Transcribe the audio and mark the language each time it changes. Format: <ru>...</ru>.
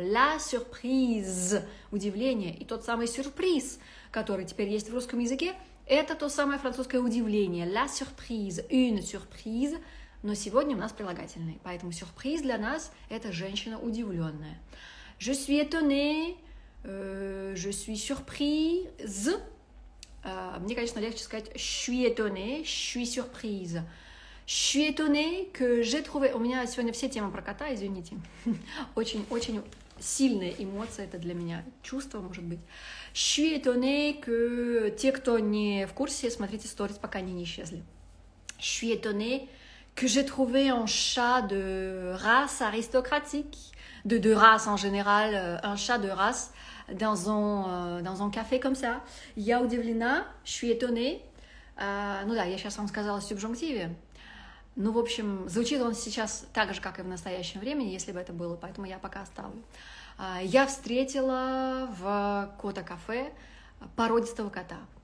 <fr>La surprise, удивление.</fr> <ru>И тот самый сюрприз, который теперь есть в русском языке, это то самое французское удивление.</ru> <fr>La surprise, une surprise.</fr> <ru>Но сегодня у нас прилагательный. Поэтому сюрприз для нас – это женщина удивленная.</ru> <fr>Je suis étonnée. Je suis surprise.</fr> <ru>Мне, конечно, легче сказать</ru> <fr>suis étonnée, je suis surprise. Suis étonnée que j'ai trouvé.</fr> <ru>У меня сегодня все темы про кота, извините. Очень-очень сильная эмоция это для меня. Чувство, может быть.</ru> <fr>Suis étonnée que</fr> <ru>те, кто не в курсе, смотрите сториз, пока они не исчезли.</ru> <fr>Suis étonnée que j'ai trouvé un chat de race aristocratique. De race en général, un chat de race. Dans un café comme ça.</fr> <ru>Я удивлена,</ru> <fr>je suis étonnée.</fr> <ru>Ну да, я сейчас вам сказала в субжунктиве. Ну, в общем, звучит он сейчас так же, как и в настоящем времени, если бы это было, поэтому я пока оставлю. Я встретила в кота-кафе породистого кота.</ru>